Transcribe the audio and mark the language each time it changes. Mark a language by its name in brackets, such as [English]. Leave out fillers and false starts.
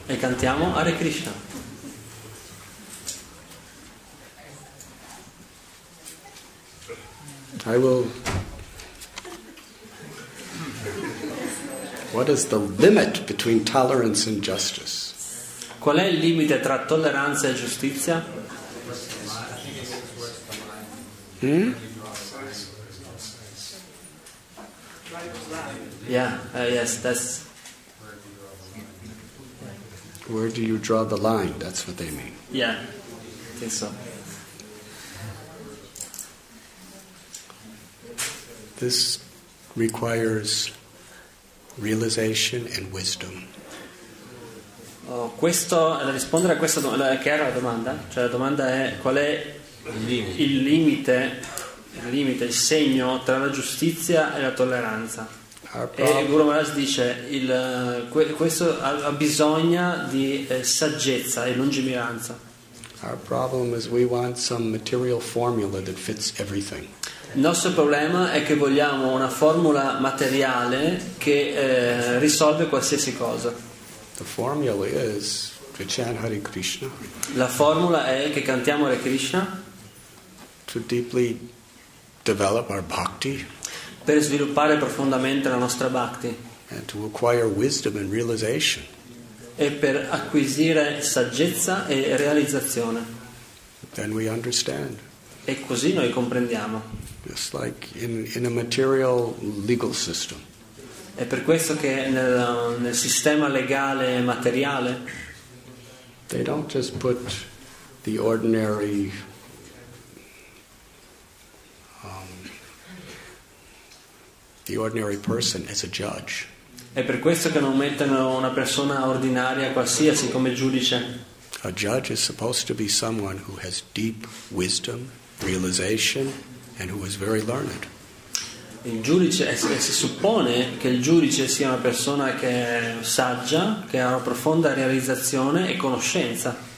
[Italian] E cantiamo Hare Krishna. [English] I will. What is the limit between tolerance and justice? [Italian] Qual è il limite tra tolleranza e giustizia? [English] Yes, that's. Where do you draw the line? That's what they mean. Yeah, I think so. This requires realization and wisdom. [Italian] Oh, questo rispondere a questa domanda, che era la domanda, cioè la domanda è qual è il limite, il segno tra la giustizia e la tolleranza. E Guru Maharaj dice questo ha bisogno di saggezza e lungimiranza. [English] Our problem is we want some material formula that fits everything. [Italian] Il nostro problema è che vogliamo una formula materiale che risolve qualsiasi cosa. [English] The formula is to chant Hare Krishna. [Italian] La formula è che cantiamo Hare Krishna. [English] To deeply develop our bhakti. [Italian] Per sviluppare profondamente la nostra bhakti. [English] And to acquire wisdom and realization. [Italian] E per acquisire saggezza e realizzazione. [English] Then we understand. [Italian] E così noi comprendiamo. [English] Just like in a material legal system. [Italian] È per questo che nel sistema legale materiale. [English] They don't just put the ordinary. The ordinary person as a judge. [Italian] È per questo che non mettono una persona ordinaria qualsiasi come giudice. [English] A judge is supposed to be someone who has deep wisdom, realization, and who is very learned. [Italian] Il giudice si suppone che il giudice sia una persona che è saggia, che ha una profonda realizzazione e conoscenza.